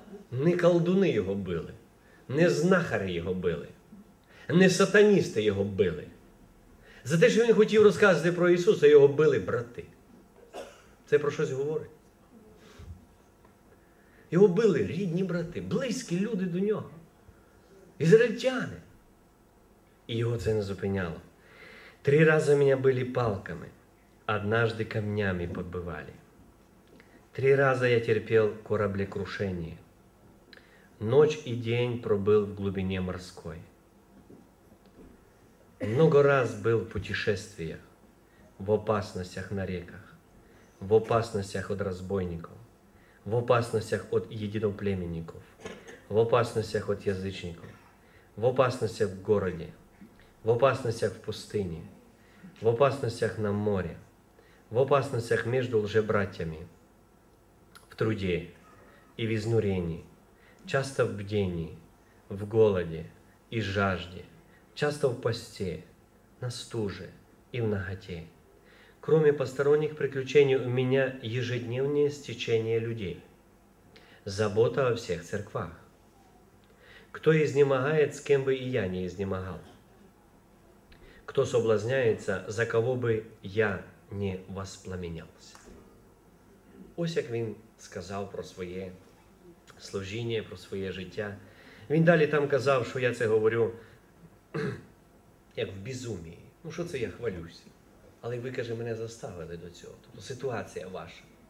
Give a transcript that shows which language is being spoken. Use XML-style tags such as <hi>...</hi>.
<uk>Не колдуни його били, не знахари його били, не сатаністи його били. За те, що він хотів розказати про Ісуса, його били брати. Це про щось говорить. Його били рідні брати, близькі люди до нього, ізраїльтяни. І його це не зупиняло. 3 рази мене</uk> <ru>били палками, однажды камнями побивали.</ru> <uk>3 рази я терпів кораблекрушення.</uk> <ru>Ночь и день пробыл в глубине морской. Много раз был в путешествиях, в опасностях на реках, в опасностях от разбойников, в опасностях от единоплеменников, в опасностях от язычников, в опасностях в городе, в опасностях в пустыне, в опасностях на море, в опасностях между лжебратьями, в труде и в изнурении, часто в бдении, в голоде и жажде, часто в посте, на стуже и в наготе. Кроме посторонних приключений, у меня ежедневное стечение людей, забота о всех церквах. Кто изнемогает, с кем бы и я не изнемогал. Кто соблазняется, за кого бы я не воспламенялся.</ru> <uk>Ось як він сказав про своє служіння, про своє життя. Він далі там казав, що я це говорю як в безумії. Ну що це я хвалюся? Але ви, каже, мене заставили до цього. Тобто ситуація ваша.</uk>